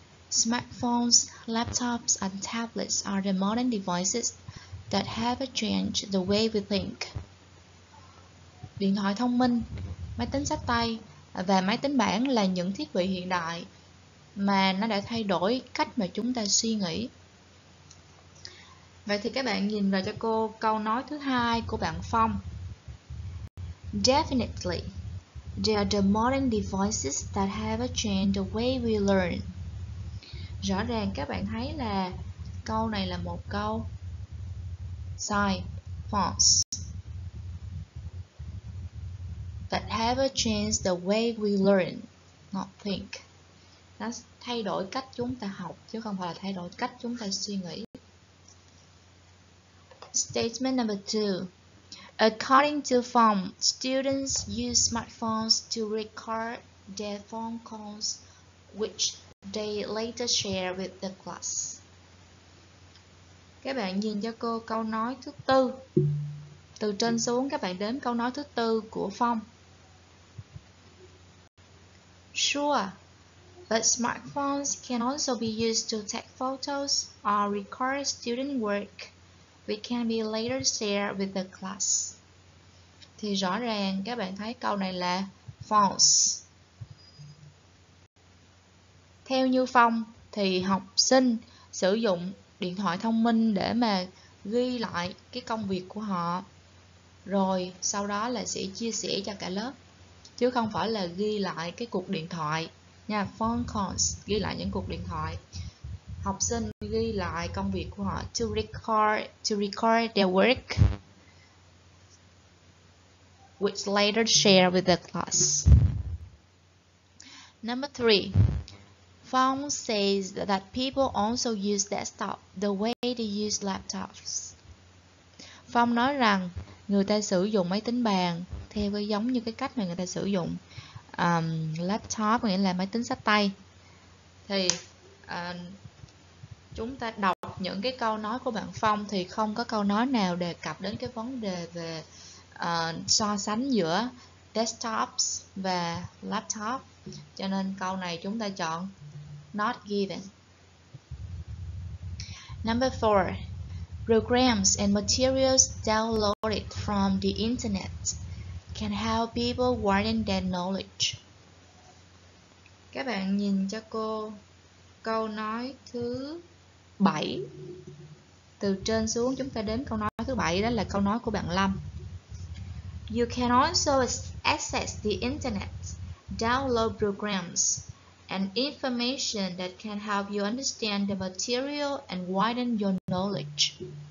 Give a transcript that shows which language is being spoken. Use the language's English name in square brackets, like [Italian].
[English] Smartphones, laptops and tablets are the modern devices that have changed the way we think. [Vietnamese] Điện thoại thông minh, máy tính xách tay và máy tính bảng là những thiết bị hiện đại mà nó đã thay đổi cách mà chúng ta suy nghĩ. Vậy thì các bạn nhìn lại cho cô câu nói thứ hai của bạn Phong. [English] Definitely, they are the modern devices that have changed the way we learn. [Vietnamese] Rõ ràng các bạn thấy là câu này là một câu sai, false. [English] That have changed the way we learn, not think. [Vietnamese] Nó thay đổi cách chúng ta học chứ không phải là thay đổi cách chúng ta suy nghĩ. [English] Statement number 2. According to Phong, students use smartphones to record their phone calls, which they later share with the class. [Vietnamese] Các bạn nhìn cho cô câu nói thứ tư. Từ trên xuống các bạn đếm câu nói thứ tư của Phong. [English] Sure, but smartphones can also be used to take photos or record student work. We can be later shared with the class. [Vietnamese] Thì rõ ràng các bạn thấy câu này là false. Theo như Phong thì học sinh sử dụng điện thoại thông minh để mà ghi lại cái công việc của họ rồi sau đó là sẽ chia sẻ cho cả lớp chứ không phải là ghi lại cái cuộc điện thoại nha, [English] phone calls, [Vietnamese] ghi lại những cuộc điện thoại. Học sinh ghi lại công việc của họ [English] to record their work which later share with the class. Number 3. Phong says that people also use desktop the way they use laptops. [Vietnamese] Phong nói rằng người ta sử dụng máy tính bàn theo cái giống như cái cách mà người ta sử dụng laptop, nghĩa là máy tính xách tay. Thì chúng ta đọc những cái câu nói của bạn Phong thì không có câu nói nào đề cập đến cái vấn đề về so sánh giữa desktops và laptop. Cho nên câu này chúng ta chọn [English] not given. Number 4. Programs and materials downloaded from the internet can help people widen their knowledge. [Vietnamese] Các bạn nhìn cho cô câu nói thứ 7. Từ trên xuống chúng ta đến câu nói thứ 7, đó là câu nói của bạn Lâm. [English] You can also access the internet, download programs and information that can help you understand the material and widen your knowledge.